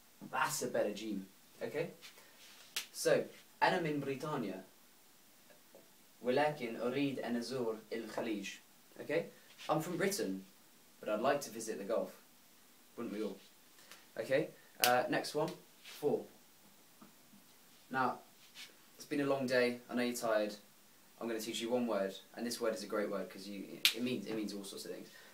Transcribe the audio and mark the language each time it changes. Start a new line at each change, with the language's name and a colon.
English: That's a better gene, okay?
Arabic: So, أنا من بريطانيا ولكن أريد أن أزور الخليج.
English: Okay? I'm from Britain, but I'd like to visit the Gulf. Wouldn't we all? Okay? Next one. Four. Now, it's been a long day. I know you're tired. I'm going to teach you one word, and this word is a great word because it means all sorts of things.